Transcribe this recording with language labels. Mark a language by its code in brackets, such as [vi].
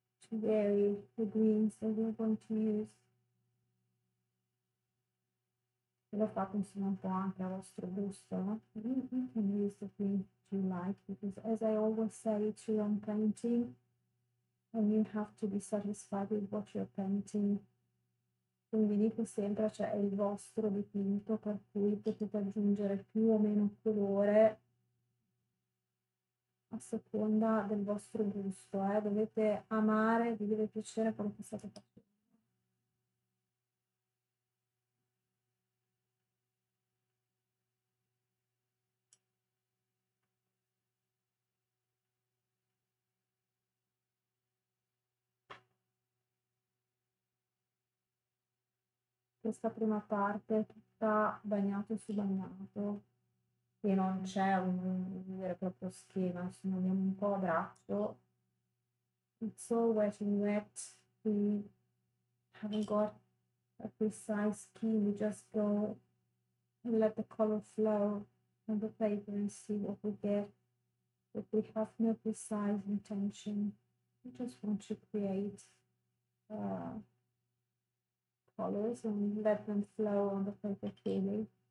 [en] To vary the greens that we're going to use. [it] L'ho fatto insomma un po' anche al vostro gusto. [en] You can use the green you like, because as I always say to your painting, and you have to be satisfied with what you're painting. [it] Quindi dico sempre, cioè è il vostro dipinto, per cui potete aggiungere più o meno colore a seconda del vostro gusto, eh. Dovete amare, vi deve piacere quello che state facendo. Questa prima parte è tutta bagnato su bagnato, e non c'è un vero e proprio schema, se non andiamo un po' a braccio. [en] It's all wet and wet, we haven't got a precise scheme, we just go and let the color flow on the paper and see what we get. But we have no precise intention, we just want to create colors and let them flow on the paper clearly.